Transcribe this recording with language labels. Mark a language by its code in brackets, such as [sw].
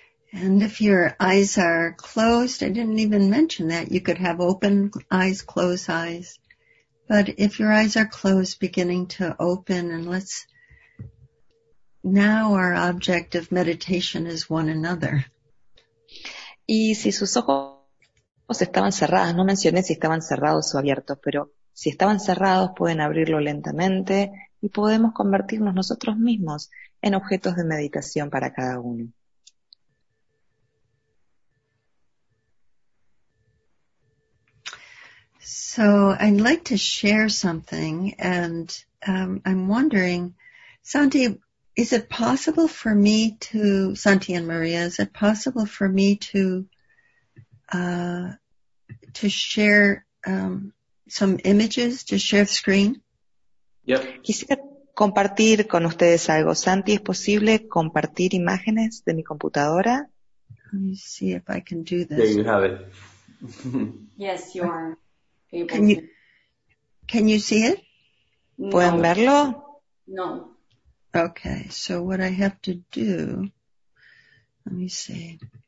[en] And if your eyes are closed, I didn't even mention that. You could have open eyes, close eyes. But if your eyes are closed, beginning to open, and let's... Now our object of meditation is one another. [es] Y si sus ojos estaban cerrados, no mencioné si estaban cerrados o abiertos, pero si estaban cerrados, pueden abrirlo lentamente y podemos convertirnos nosotros mismos en objetos de meditación para cada uno. [en] So I'd like to share something, and I'm wondering, Santi, is it possible for me to, Santi and Maria, is it possible for me to share some images, to share the screen? Yep. [es] Quisiera compartir con ustedes algo. Santi, ¿es posible compartir imágenes de mi computadora? [en] Let me see if I can do this. There you have it. Yes, you are. Can you see it? [es] No. ¿Pueden verlo? No. [en] Okay, so what I have to do, let me see.